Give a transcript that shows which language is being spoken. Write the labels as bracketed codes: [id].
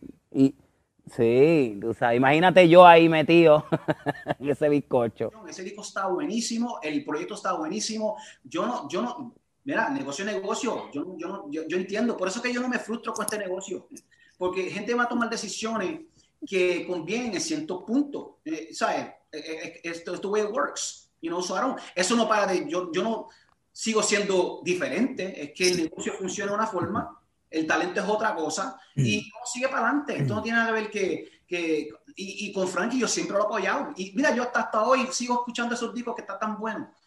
[es] Y sí, o sea, imagínate yo ahí metido en ese bizcocho. Ese disco está buenísimo, el proyecto está buenísimo. Yo no, mira, negocio. Yo entiendo, por eso que yo no me frustro con este negocio, porque gente va a tomar decisiones que convienen en cierto punto, ¿sabes? [en] It's the way it works, you know, Aaron. [es] Eso no para de, yo no sigo siendo diferente, es que el negocio funciona de una forma, el talento es otra cosa, y uno sigue para adelante. Esto no tiene nada que ver que con Frankie yo siempre lo he apoyado, y mira, yo hasta hoy sigo escuchando esos discos que están tan buenos.